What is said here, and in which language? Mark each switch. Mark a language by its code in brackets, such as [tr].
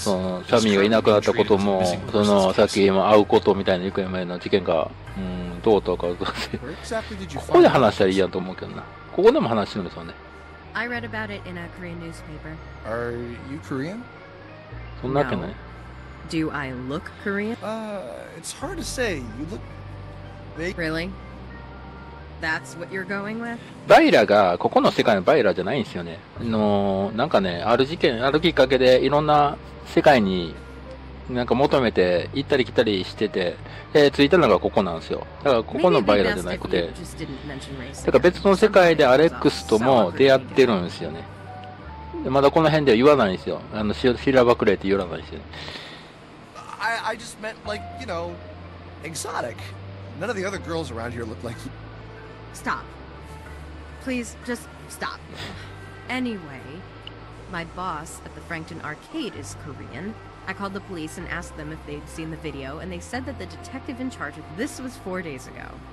[ja] そのサミーがいなくなったことも、そのさっき今会うことみたいな、行方不明の事件が、どうとかここで話したらいいやと思うけどな。ここでも話するんですよね。 [en] I read about it in a Korean newspaper. Are you Korean? [ja] そんなわけない。 [en] Do I look Korean? It's hard to say. You look big. Really? That's what you're going with? [ja] バイラがここの世界のバイラじゃないんですよね。なんかね、ある事件、あるきっかけでいろんな世界になんか求めて行ったり来たりしてて、着いたのがここなんですよ。だからここのバイラじゃなくて、だから別の世界でアレックスとも出会ってるんですよね。まだこの辺では言わないんですよ。あの、シラバクレーって言わないんですよね。 [en] I just meant, like, you know, exotic. None of the other girls around here look like you. Stop. Please, just stop. Anyway, my boss at the Frankton Arcade is Korean. I called the police and asked them if they'd seen the video, and they said that the detective in charge of this was 4 days ago.